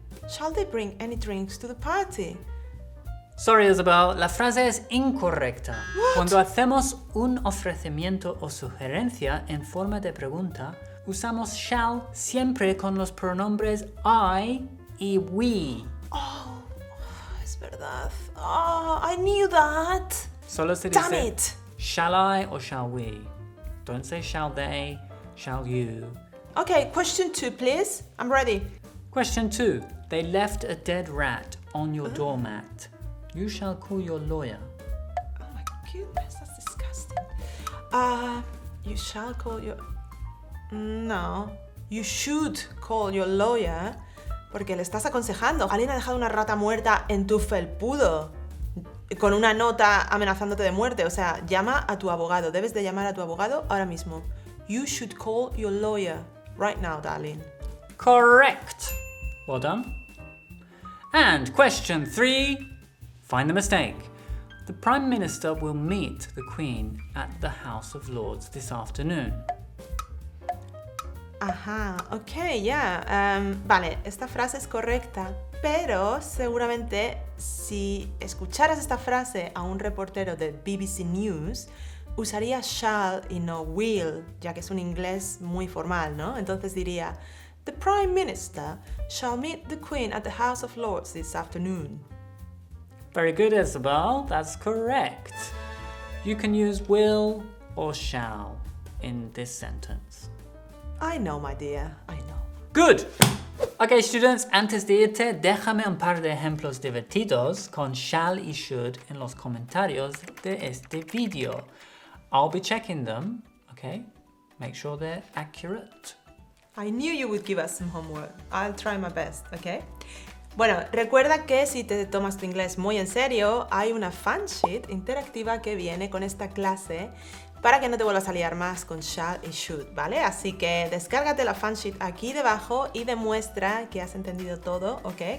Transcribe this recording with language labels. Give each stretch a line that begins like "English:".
English: Shall they bring any drinks to the party? Sorry,
Spanish: Isabel, la frase es incorrecta.
English: What?
Spanish: Cuando hacemos un ofrecimiento o sugerencia en forma de pregunta, usamos shall siempre con los pronombres I y we.
English: Oh,
Spanish: es verdad.
English: Oh, I knew that.
Spanish: Solo se
English: Damn
Spanish: dice
English: it. Shall I or shall we? Don't say shall they, shall you. Okay, question two, please. I'm ready. Question two. They left a dead rat on your doormat. You shall call your lawyer. Oh my goodness, that's disgusting. You shall call your... No. You should call your lawyer.
Spanish: Porque le estás aconsejando. Alguien ha dejado una rata muerta en tu felpudo. Con una nota amenazándote de muerte. O sea, llama a tu abogado. Debes de llamar a tu abogado ahora mismo.
English: You should call your lawyer. Right now, darling. Correct. Well done. And question three, find the mistake. The Prime Minister will meet the Queen at the House of Lords this afternoon. Ajá, ok, ya. Yeah.
Spanish: Vale, esta frase es correcta, pero seguramente si escucharas esta frase a un reportero de BBC News, usaría shall y no will, ya que es un inglés muy formal, ¿no? Entonces diría,
English: The Prime Minister shall meet the Queen at the House of Lords this afternoon. Very good, Isabel. That's correct. You can use will or shall in this sentence. I know, my dear. I know. Good! Ok, students,
Spanish: antes de irte, déjame un par de ejemplos divertidos con shall y should en los comentarios de este video.
English: I'll be checking them, ok? Make sure they're accurate. I knew you would give us some homework. I'll try my best, ok?
Spanish: Bueno, recuerda que si te tomas tu inglés muy en serio, hay una fan sheet interactiva que viene con esta clase para que no te vuelvas a liar más con shall y should, ¿vale? Así que descárgate la fan sheet aquí debajo y demuestra que has entendido todo, ¿ok?